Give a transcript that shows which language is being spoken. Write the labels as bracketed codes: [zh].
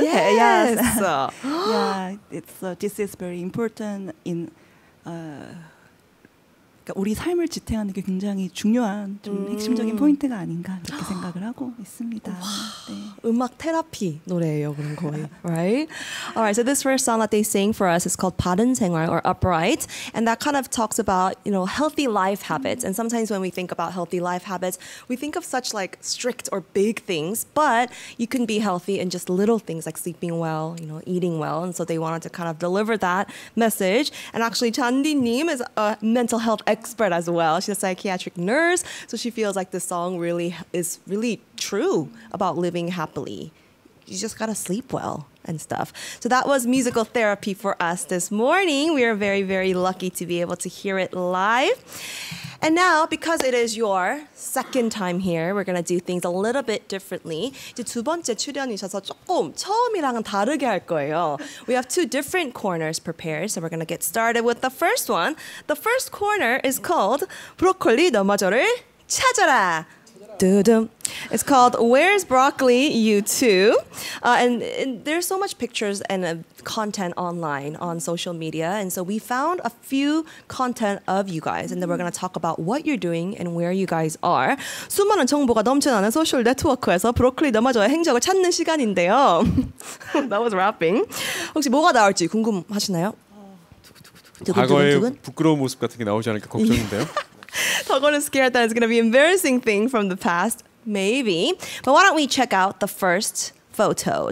[en] Yes. Yeah, it's this is very important in [ko] 그러니까 우리 삶을 지탱하는 게 굉장히 중요한 좀 핵심적인 포인트가 아닌가 이렇게 생각을 하고 있습니다. 네. 음악 테라피 노래예요, 그런 거의. [en] All right. So this first song that they sing for us is called 바른 생활 or upright, and that kind of talks about, you know, healthy life habits. And sometimes when we think about healthy life habits, we think of such like strict or big things, but you can be healthy in just little things like sleeping well, you know, eating well. And so they wanted to kind of deliver that message. And actually, 잔디님 is a mental health expert as well. She's a psychiatric nurse, so she feels like this song really is really true about living happily. You just gotta sleep well and stuff. So that was musical therapy for us this morning. We are very, very lucky to be able to hear it live. And now, because it is your second time here, we're gonna do things a little bit differently. [ko] 이제 두 번째 출연이셔서 조금 처음이랑은 다르게 할 거예요. [en] We have two different corners prepared, so we're gonna get started with the first one. The first corner is called 브로콜리 너마저를 찾아라. It's called Where's Broccoli, You Two? And there's so much pictures and content online on social media. And so we found a few content of you guys. And then we're going to talk about what you're doing and where you guys are. [ko] 수많은 정보가 넘쳐나는 소셜 네트워크에서 브로콜리 너마저의 행적을 찾는 시간인데요. [en] That was rapping. [ko] 혹시 뭐가 나올지 궁금하시나요? 과거의 부끄러운 모습 같은 게 나오지 않을까 걱정인데요. [en] The one who's scared that it's going to be an embarrassing thing from the past. Maybe. But why don't we check out the first photo.